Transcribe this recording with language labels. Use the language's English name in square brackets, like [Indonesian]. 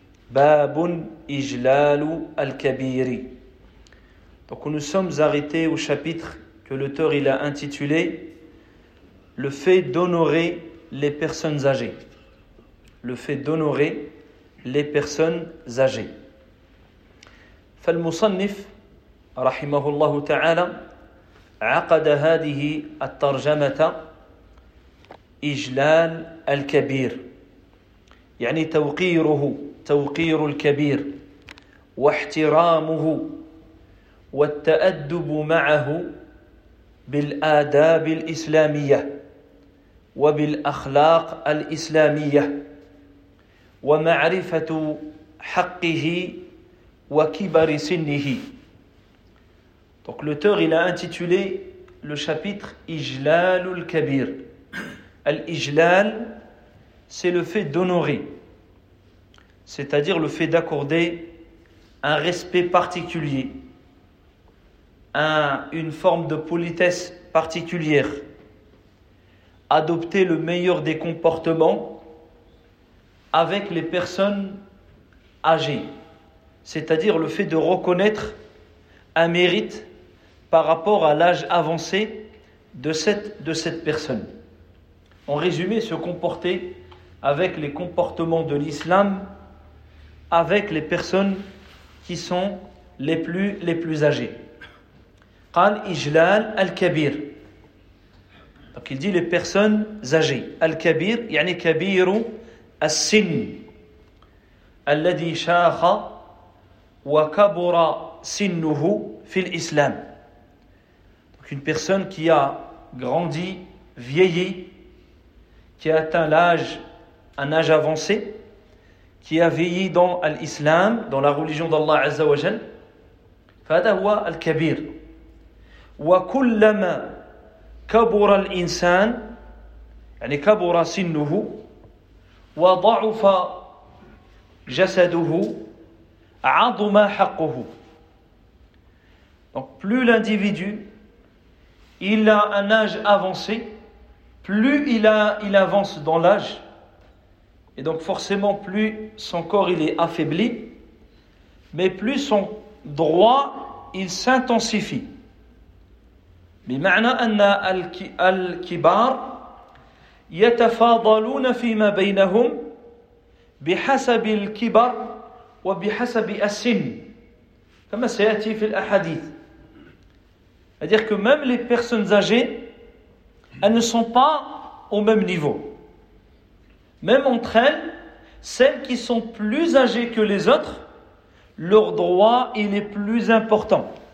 [Arabic] Babun ijlalu al-kabiri. [French] Donc nous sommes arrêtés au chapitre que l'auteur il a intitulé le fait d'honorer les personnes âgées. Le fait d'honorer les personnes âgées. [Arabic] فالمصنف رحمه الله تعالى عقد هذه الترجمة إجلال الكبير يعني توقيره توقير الكبير واحترامه والتأدب معه بالآداب الإسلامية وبالأخلاق الإسلامية ومعرفة حقه وكبر سنه. [French] Donc l'auteur il a intitulé le chapitre Ijlal al-Kabir. Al-Ijlal, c'est le fait d'honorer, c'est-à-dire le fait d'accorder un respect particulier, une forme de politesse particulière, adopter le meilleur des comportements avec les personnes âgées, c'est-à-dire le fait de reconnaître un mérite par rapport à l'âge avancé de cette personne. En résumé, se comporter avec les comportements de l'islam avec les personnes qui sont les plus âgées. [Arabic] Qal ijlal al-kabir. [French] Donc il dit les personnes âgées. [Arabic] Al-kabir, yani kabiru السن الذي شاخ وكبر سنه في الإسلام. [French] Donc une personne qui a grandi, vieilli, qui a atteint un âge avancé, qui a vieilli dans l'islam, dans la religion d'Allah Azza wa Jal. [Arabic] فهذا هو الكبير. وكلما كبر الإنسان يعني كبر سنه وضعف جسده عظم حقه. [French] Donc plus l'individu il a un âge avancé, plus il avance dans l'âge, et donc forcément plus son corps il est affaibli, mais plus son droit il s'intensifie. [Arabic] بمعنى أن الكبار يتفاضلون فيما بينهم بحسب الكبر وبحسب السن كما سيأتي في الأحاديث. [French] C'est-à-dire que même les personnes âgées, elles ne sont pas au même niveau. Même entre elles, celles qui sont plus âgées que les autres, leur droit il est plus important.